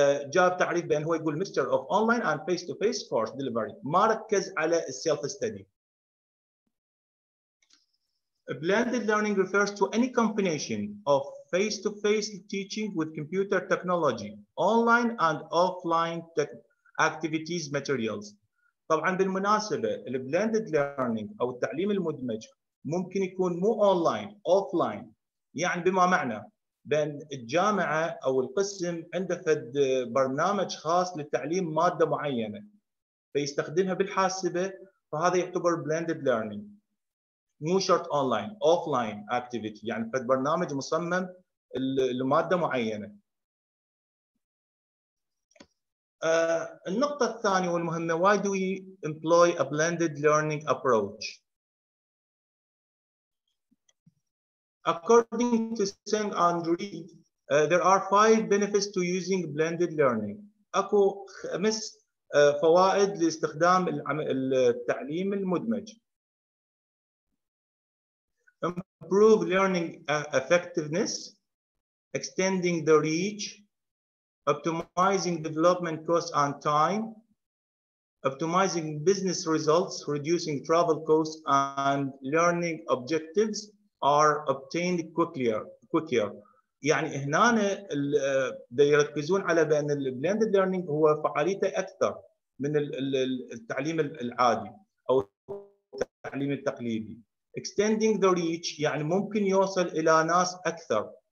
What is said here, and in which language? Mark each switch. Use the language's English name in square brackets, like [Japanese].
[Arabic] جاب تعريف بأن هو يقول مستر [English] of online and face-to-face course delivery، [Arabic] ما ركز على self-study. [English] Blended learning refers to any combination of face-to-face teaching with computer technology, online and offline activities materials. [Arabic] طبعا بالمناسبة الـ blended learning أو التعليم المدمج ممكن يكون مو online, offline. يعني بما معنى بين الجامعة أو القسم عنده فد برنامج خاص للتعليم مادة معينة فيستخدمها بالحاسبة، فهذا يعتبر blended learning، مو شرط online, offline activity. يعني فد برنامج مصمم لمادة معينة. النقطة الثانية والمهمة، [English] why do we employ a blended learning approach? According to Tseng and Reed, there are five benefits to using blended learning. [Arabic] أكو خمس فوائد لاستخدام التعليم المدمج. [English] Improve learning effectiveness, extending the reach, optimizing development costs and time, optimizing business results, reducing travel costs and learning objectives are obtained quicker. [Arabic] يعني هنا يركزون على بأن blended learning هو فعاليته أكثر من التعليم العادي أو التعليم التقليدي. [English] Extending the reach [Arabic] يعني ممكن يوصل إلى ناس أكثر.